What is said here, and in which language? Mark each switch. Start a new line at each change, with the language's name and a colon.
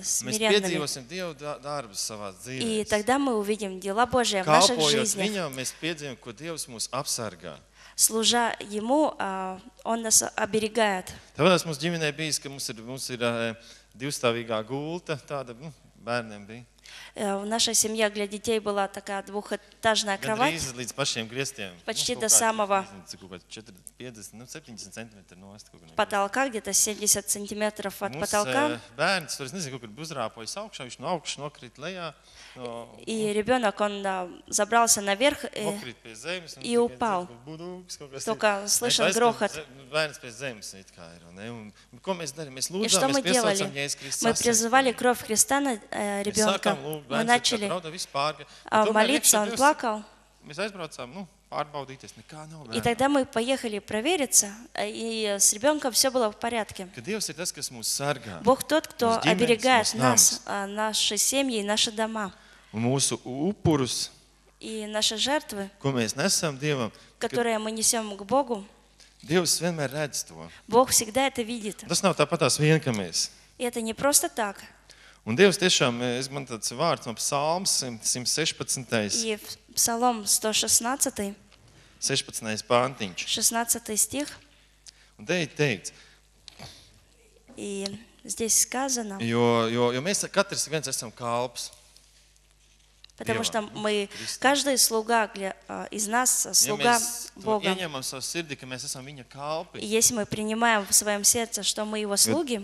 Latvian: Mēs piedzīvosim Dievu darbu savā dzīvē.
Russian: И тогда мы увидим дела Божьи в нашей жизни.
Latvian: Kalpojot mēs piedzīvojam, ko Dievs mūs apsargā.
Russian: Служа ему, он нас оберегает.
Latvian: Tāpēc mums ģimenei bijis, ka mums ir divstāvīgā gulta, tāda, bērniem bija.
Russian: В нашей семье для детей была такая двухэтажная кровать.
Latvian: Gandrīz līdz pašiem griestiem.
Russian: Почти до самого.
Latvian: Cik 50, 70 cm nost.
Russian: Потолка где-то 70 cm от потолка.
Latvian: Mums bērns, tur es nezinu, kur uzrāpojas augšā, viņš no augšas nokrīt lejā.
Russian: И ребёнок, он забрался наверх и упал. Только слышал грохот.
Latvian: Bērns pie zemes it kā ir. Un ko mēs darījām? Mēs лūdzām,
Russian: и что мы делали? Мы призывали кровь Христа на ребёнка. Мы начали молиться, он плакал.
Latvian: Mēs aizbraucām, pārbaudīties, nekā nav bērnā.
Russian: И тогда мы поехали провериться, и с ребёнком всё было в порядке.
Latvian: Ka Dievs ir tas, kas mūs sargā.
Russian: Бог тот, кто оберегает нас, наши семьи, наши дома.
Latvian: Un mūsu upurus.
Russian: И наши жертвы.
Latvian: Ko mēs nesam Dievam.
Russian: Которые мы несём к Богу.
Latvian: Dievs vienmēr redz to.
Russian: Бог всегда это видит.
Latvian: Tas nav tāpatās vien, ka mēs.
Russian: И это не просто так.
Latvian: Un Dievs tiešām, es man tāds vārds no psalms 116.
Russian: И Псалом 116.
Latvian: 16. Пантиņš.
Russian: 16. Стих.
Latvian: Un teica, teica.
Russian: И здесь сказано.
Latvian: Jo mēs katrs viens esam kalps.
Russian: Потому что мы, каждый слуга из нас, слуга Бога.
Latvian: Ja mēs ieņemam savu sirdi, ka mēs esam viņa kalpi.
Russian: И если мы принимаем в своем сердце, что мы его слуги.